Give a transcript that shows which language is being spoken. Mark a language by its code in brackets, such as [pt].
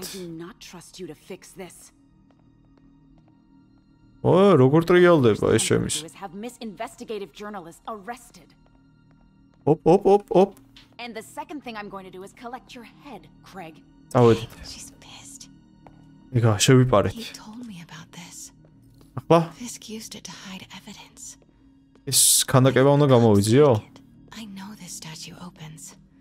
[en] No, I do not trust you to fix this. [ka] Ой, როგორ ტრიალდება ეს ჩემის? [en] We have miss investigative journalist arrested. Оп. And the second thing I'm going to do is collect your head, Craig. [ka] Ავეთ. [en] She's pissed. [ka] Ეგა, შევიპარეთ. [en] He told me about this. [ka] Ახლა? [en] This used to hide evidence. [ka] ეს ქანდაკება უნდა გამოვიძიო? [en] I know this statue opens.